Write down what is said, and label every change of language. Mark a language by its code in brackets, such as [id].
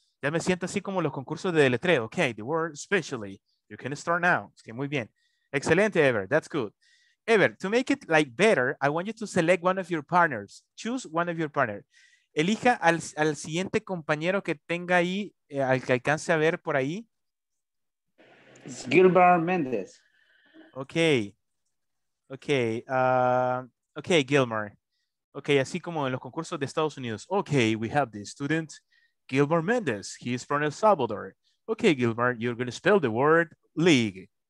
[es] Ya me siento así como los concursos de deletreo. [en] Okay, the word especially. You can start now. Okay, [es] muy bien. [en] Excelente, Ever. That's good. Ever, to make it like better, I want you to select one of your partners. Choose one of your partners. [es] Elija al siguiente compañero que tenga ahí, al que alcance a ver por ahí. [en] It's Gilbert Mendez. Okay. Okay. Okay, Gilmer. [es] Okay, así como en los concursos de Estados Unidos. [en] Okay, we have the student Gilbert Mendez. He is from El Salvador. Okay, Gilbert, you're going to spell the word league.